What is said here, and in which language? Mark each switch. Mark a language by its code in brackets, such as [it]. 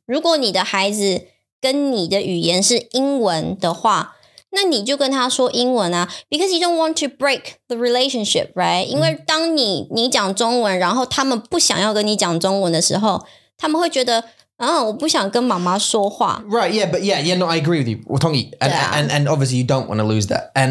[zh] 如果你的孩子跟你的语言是英文的话那你就跟他说英文啊。 [en] Because you don't want to break the relationship, right? [zh] 因为当你讲中文然后他们不想要跟你讲中文的时候他们会觉得嗯我不想跟妈妈说话。 [en] Right, yeah, but yeah, yeah, no, I agree with you. [zh] 我同意。 [en] And obviously you don't want to lose that.